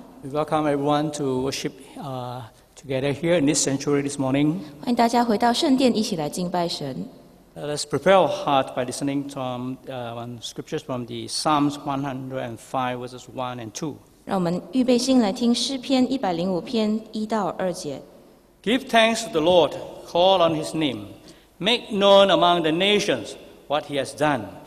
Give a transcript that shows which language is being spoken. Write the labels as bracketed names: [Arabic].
[English] We welcome everyone to worship together here in this sanctuary this morning. [Chinese] 欢迎大家回到圣殿，一起来敬拜神。 [English] Let's prepare our heart by listening to scriptures from the Psalms 105 verses 1 and 2. [Chinese] 让我们预备心来听诗篇一百零五篇一到二节。 [English] Give thanks to the Lord, call on His name, make known among the nations what He has done.